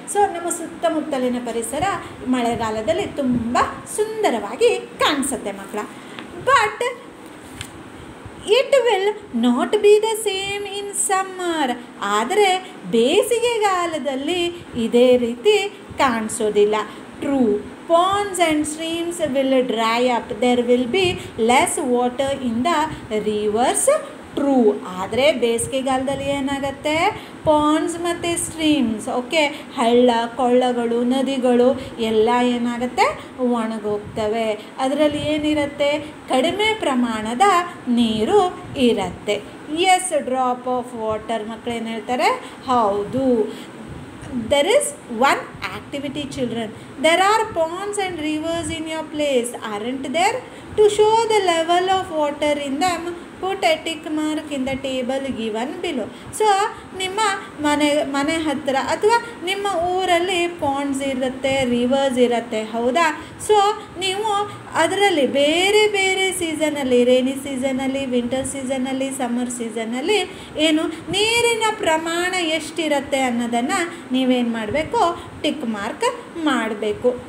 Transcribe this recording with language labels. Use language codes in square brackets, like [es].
[kn] So ನಮ್ಮ ಸುತ್ತಮುತ್ತಲಿನ ಪರಿಸರ ಮಳೆಗಾಲದಲ್ಲಿ ತುಂಬ ಸುಂದರವಾಗಿ ಕಾಣಿಸುತ್ತೆ ಮಕ್ಕಳ. [en] But it will not be the same in summer. [kn] ಆದರೆ ಬೇಸಿಗೆಗಾಲದಲ್ಲಿ ಇದೇ ರೀತಿ ಕಾಣಿಸೋದಿಲ್ಲ. [en] True, ponds and streams will dry up, there will be less water in the rivers. True. [kn] ಆದರೆ ಬೇಸಿಗೆಗಾಲದಲ್ಲಿ ಏನಾಗುತ್ತೆ, ಪಾಂಡ್ಸ್ ಮತ್ತು ಸ್ಟ್ರೀಮ್ಸ್, ಓಕೆ, ಹಳ್ಳ ಕೊಳ್ಳಗಳು, ನದಿಗಳು ಎಲ್ಲ ಏನಾಗುತ್ತೆ, ಒಣಗೋಗ್ತವೆ. ಅದರಲ್ಲಿ ಏನಿರುತ್ತೆ, ಕಡಿಮೆ ಪ್ರಮಾಣದ ನೀರು ಇರುತ್ತೆ. [en] Yes, drop of water. [kn] ಮಕ್ಕಳೇನು ಹೇಳ್ತಾರೆ, ಹೌದು. [en] There is one activity, children. There are ponds and rivers in your place, aren't there? To show the level of water in them, put a tick mark in the table given below. [kn] So, ನಿಮ್ಮ ಮನೆ ಹತ್ತಿರ ಅಥವಾ ನಿಮ್ಮ ಊರಲ್ಲಿ Pond's ಇರುತ್ತೆ, reverse ಇರುತ್ತೆ, ಹೌದಾ? So ನೀವು ಅದರಲ್ಲಿ ಬೇರೆ ಬೇರೆ ಸೀಸನಲ್ಲಿ, ರೇನಿ ಸೀಸನಲ್ಲಿ, ವಿಂಟರ್ ಸೀಸನಲ್ಲಿ, ಸಮ್ಮರ್ ಸೀಸನಲ್ಲಿ ಏನು ನೀರಿನ ಪ್ರಮಾಣ ಎಷ್ಟಿರುತ್ತೆ ಅನ್ನೋದನ್ನು ನೀವೇನು ಮಾಡಬೇಕು, ಟಿಕ್ ಮಾರ್ಕ್ ಮಾಡಬೇಕು.